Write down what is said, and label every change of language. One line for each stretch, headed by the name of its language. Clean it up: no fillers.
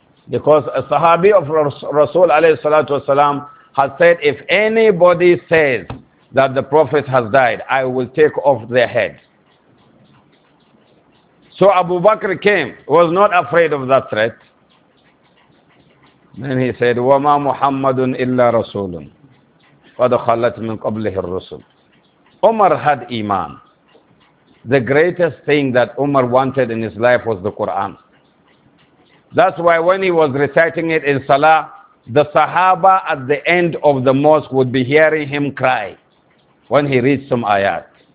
English: Because a Sahabi of Rasul alayhi salatu wasalam has said, if anybody says that the Prophet has died, I will take off their head. So Abu Bakr came, was not afraid of that threat. Then he said,
Arabic: وَمَا مُحَمَّدٌ إِلَّا رَسُولٌ قَدْ خَلَّتْ مِنْ قَبْلِهِ الرُّسُولٌ.
English: Umar had Iman. The greatest thing that Umar wanted in his life was the Quran. That's why when he was reciting it in Salah, the Sahaba at the end of the mosque would be hearing him cry when he reads some ayat.